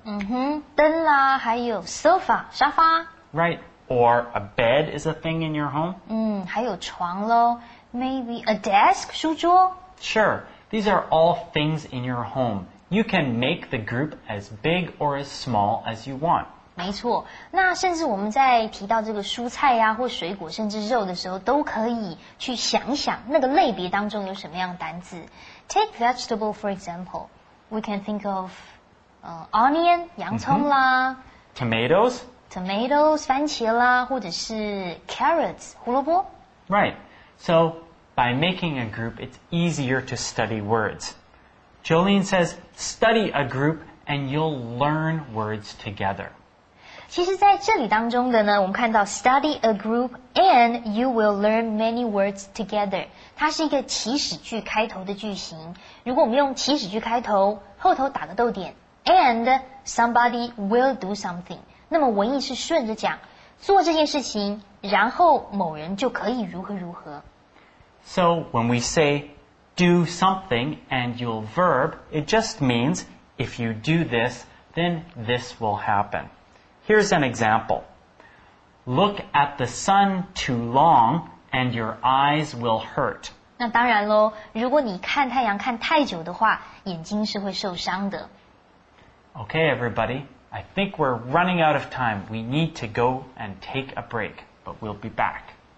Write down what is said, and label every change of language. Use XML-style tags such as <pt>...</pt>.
<zh>嗯哼，灯啦，还有 sofa, 沙发。</zh> <en>Right, or a bed is a thing in your home.</en> <zh>嗯，还有床咯。</zh> <en>Maybe a desk,</en> <zh>书桌。</zh> <en>Sure, these are all things in your home. You can make the group as big or as small as you want.</en> <zh>没错，那甚至我们在提到这个蔬菜啊或水果甚至肉的时候都可以去想想那个类别当中有什么样的单字。</zh> <en>Take vegetable for example, we can think of onion,</en> <zh>洋葱啦、</zh> <en>Tomatoes,</en> <zh>番茄啦或者是 carrots, 胡萝卜。</zh> <en>Right, so by making a group, it's easier to study words. Jolene says, study a group and you'll learn words together.</en> <zh>其实在这里当中的呢我们看到</zh> <en>study a group and you will learn many words together</en> <zh>它是一个祈使句开头的句型如果我们用祈使句开头后头打个逗点</zh> <en>and somebody will do something</en> <zh>那么文意是顺着讲做这件事情然后某人就可以如何如何</zh> <en>So when we say do something and you'll verb it just means if you do this then this will happenHere's an example. Look at the sun too long and your eyes will hurt.</en> <zh>那当然咯，如果你看太阳看太久的话，眼睛是会受伤的。</zh> <en>Okay, everybody. I think we're running out of time. We need to go and take a break, but we'll be back.</en>